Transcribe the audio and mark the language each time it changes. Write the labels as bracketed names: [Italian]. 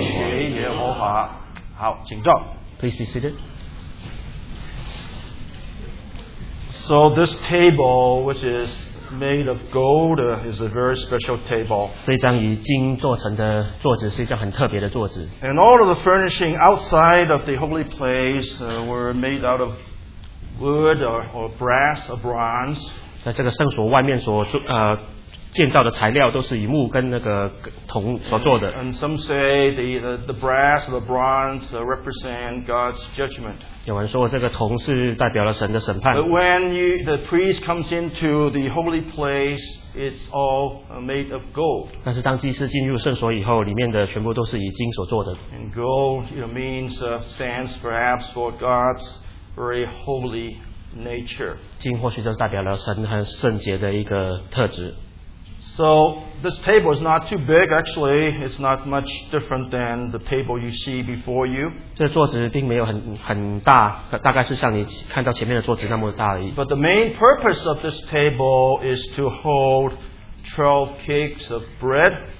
[Chinese] 在圆环面前金金的桌子上,要把金饼上放在每行边上,作为纪念,就是作为所敬献给耶和华。好,请坐。 [English] Please be seated. So this table, which is made of gold, is a very special table. [Chinese] 这张以金做成的桌子是一张很特别的桌子。 [English] And all of the furnishing outside of the holy place were made out of wood or brass or bronze. [Chinese] 在这个圣所外面所建造的材料都是以木跟那个铜所做的。 [English] And some say the brass or the bronze represent God's judgment. [Chinese] 有人说这个铜是代表了神的审判。 [English] But when the priest comes into the holy place, it's all made of gold. [Chinese] 但是当祭司进入圣所以后，里面的全部都是以金所做的。 [English] And gold, you know, means stands perhaps for God's very holy nature. [Chinese] 金或许就代表了神很圣洁的一个特质。 [English] So this table is not too big, actually. It's not much different than the table you see before you. [Chinese] 这桌子并没有很大，大概是像你看到前面的桌子那么大而已。 [English] But the main purpose of this table is to hold 12 cakes of bread.